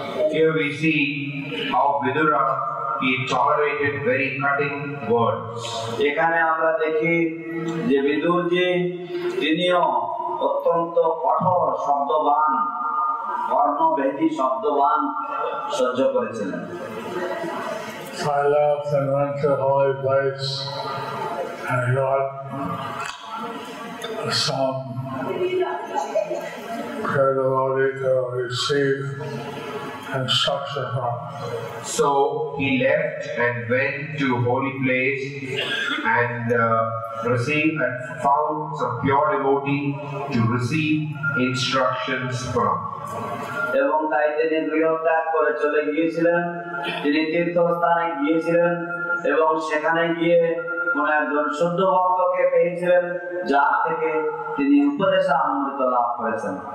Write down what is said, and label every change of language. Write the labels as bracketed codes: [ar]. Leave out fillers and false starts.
[en] Here we see how Vidura he tolerated very cutting words. [bn] এখানে আমরা দেখি যে বিদুর জি তিনিও অত্যন্ত কঠোর শব্দবান কর্ণবেদী শব্দবান সহ্য করেছিলেন. [en] I left and went to holy place and got some prayer devotee to receive instruction from. So he left and went to holy place and received and found some pure devotee to receive instructions from. [bn] এবং তাই তিনি গৃহত্যাগ করে চলে গিয়েছিলেন তিনি তীর্থস্থানে গিয়েছিলেন এবং সেখানে গিয়ে কোন একজন শুদ্ধ ভক্তকে পেয়েছিলেন যা থেকে তিনি উপদেশ আমৃত লাভ করেছেন